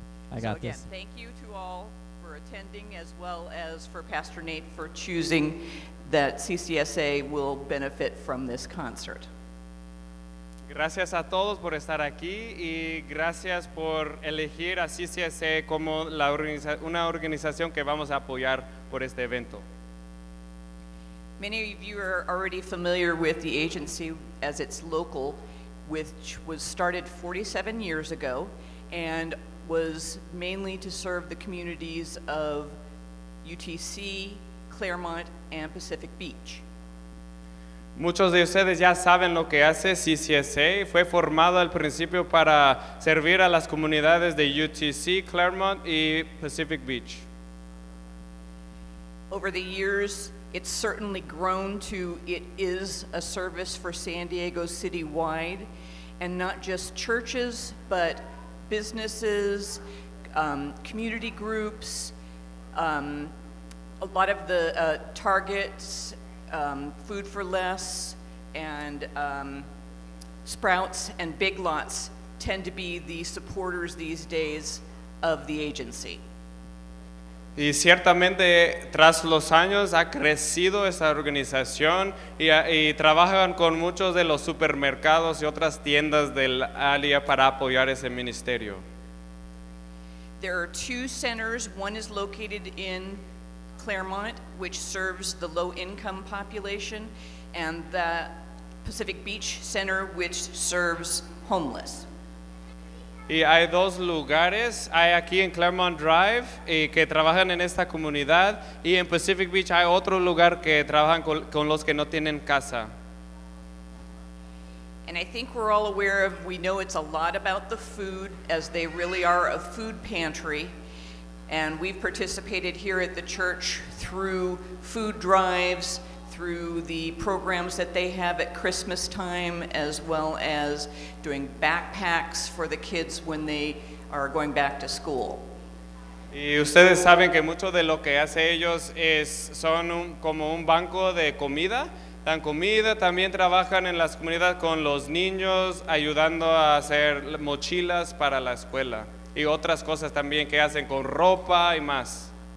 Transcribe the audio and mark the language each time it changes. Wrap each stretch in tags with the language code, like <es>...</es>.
<en>I got so again, this. Thank you to all for attending, as well as for Pastor Nate for choosing that CCSA will benefit from this concert.</en> <es>Gracias a todos por estar aquí y gracias por elegir a CCSA como una organización que vamos a apoyar por este evento.</es> <en>Many of you are already familiar with the agency as it's local, which was started 47 years ago and was mainly to serve the communities of UTC, Claremont, and Pacific Beach.</en> <es>Muchos de ustedes ya saben lo que hace CCSA. Fue formado al principio para servir a las comunidades de UTC, Claremont y Pacific Beach.</es> <en>Over the years, it's certainly grown to it is a service for San Diego citywide, and not just churches, but businesses, community groups, a lot of the Targets, Food for Less, and Sprouts and Big Lots tend to be the supporters these days of the agency.</en> <es>Y ciertamente tras los años ha crecido esa organización y trabajan con muchos de los supermercados y otras tiendas del área para apoyar ese ministerio.</es> <en>There are two centers. One is located in Claremont, which serves the low-income population, and the Pacific Beach Center, which serves homeless.</en> <es>Y hay dos lugares, hay aquí en Claremont Drive que trabajan en esta comunidad, y en Pacific Beach hay otro lugar que trabajan con los que no tienen casa.</es> <en>And I think we're all aware of, we know it's a lot about the food, as they really are a food pantry, and we've participated here at the church through food drives, through the programs that they have at Christmas time, as well as doing backpacks for the kids when they are going back to school.</en> <es>Y ustedes saben que mucho de lo que hace ellos es son un, como un banco de comida, dan comida, también trabajan en las comunidades con los niños, ayudando a hacer mochilas para la escuela, y otras cosas también que hacen con ropa y más.</es>